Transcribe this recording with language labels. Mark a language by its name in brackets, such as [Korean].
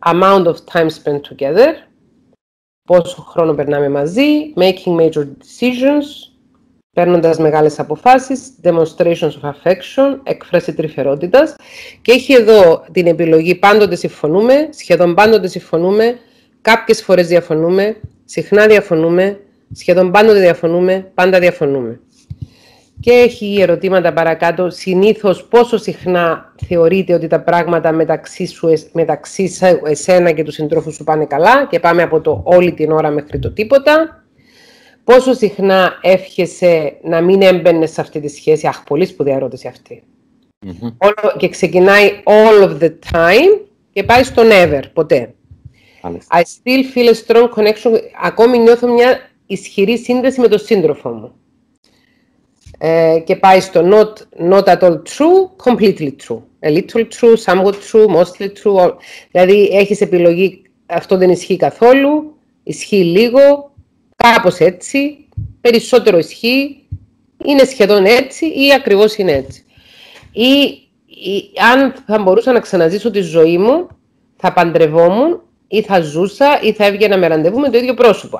[English] Amount of time spent together, [Greek] πόσο χρόνο περνάμε μαζί, [English] making major decisions, [Greek] παίρνοντας μεγάλες αποφάσεις, [English] demonstrations of affection, [Greek] έκφραση τρυφερότητας. Και έχει εδώ την επιλογή πάντοτε συμφωνούμε, σχεδόν πάντοτε συμφωνούμε, κάποιες φορές διαφωνούμε, συχνά διαφωνούμε, σχεδόν πάντοτε διαφωνούμε, πάντα διαφωνούμε. Και έχει ερωτήματα παρακάτω. Συνήθως πόσο συχνά θεωρείτε ότι τα πράγματα μεταξύ σου, εσένα και του συντρόφου σου πάνε καλά, και πάμε από το όλη την ώρα μέχρι το τίποτα. Πόσο συχνά εύχεσαι να μην έμπαινε σε αυτή τη σχέση. Αχ, πολύ σπουδαία ερώτηση αυτή. Mm-hmm. Και ξεκινάει [English] all of the time [Greek] και πάει στο never, ποτέ. [English] I still feel a strong connection. [Greek] Ακόμη νιώθω μια ισχυρή σύνδεση με τον σύντροφο μου. Και πάει στο [English] not at all true, completely true. A little true, somewhat true, mostly true. [Greek] Δηλαδή έχεις επιλογή, αυτό δεν ισχύει καθόλου, ισχύει λίγο, κάπως έτσι, περισσότερο ισχύει, είναι σχεδόν έτσι ή ακριβώς είναι έτσι. Ή αν θα μπορούσα να ξαναζήσω τη ζωή μου, θα παντρευόμουν, ή θα ζούσα ή θα έβγαινα με ραντεβού με το ίδιο πρόσωπο.